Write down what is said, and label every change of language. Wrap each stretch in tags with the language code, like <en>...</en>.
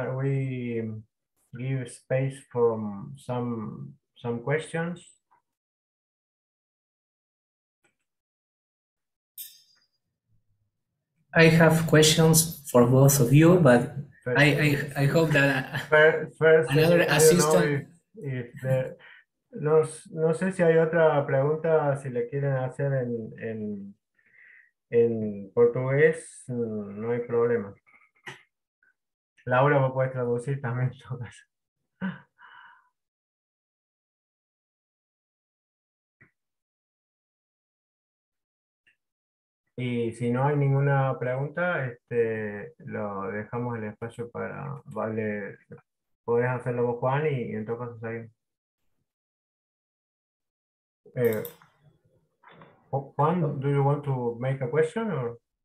<en>We give space for some questions. I have questions for both of you, but I hope that first another assistant.</en> <es>No sé si hay otra pregunta, si le quieren hacer en portugués, no hay problema. Laura, vos puedes traducir también todas. Y si no hay ninguna pregunta, lo dejamos el espacio para, vale, podés hacerlo vos, Juan, y en todo caso salir.</es> <en>Juan, do you want to make a question or?</en>